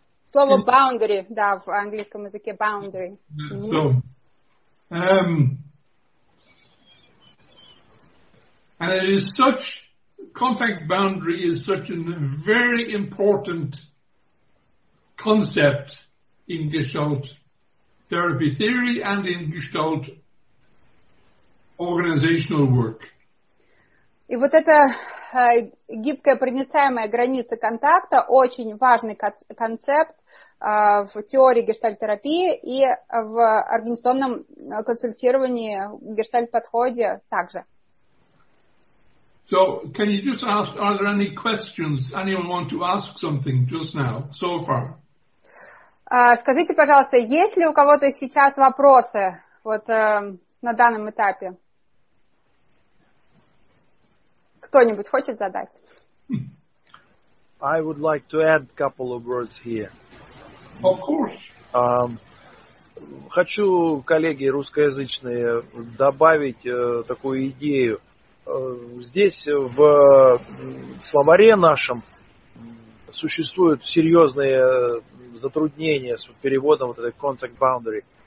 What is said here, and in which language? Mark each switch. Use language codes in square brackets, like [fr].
[ru] Слово boundary, да, в английском языке boundary. [en] So, and it is such, contact boundary is such a very important concept in Gestalt therapy theory and in Gestalt organizational work. [ru] И вот эта гибкая проницаемая граница контакта очень важный концепт в теории гештальт-терапии и в организационном консультировании гештальт-подходе также. [en] So, can you just ask, are there any questions? Anyone want to ask something just now, so far? [ru] Скажите, пожалуйста, есть ли у кого-то сейчас вопросы вот на данном этапе? Кто-нибудь хочет задать? [en] I would like to add a couple of words here. Of course. [ru] Хочу, коллеги русскоязычные, добавить такую идею. Здесь в словаре нашем существуют серьезные затруднения с переводом вот этой contact boundary.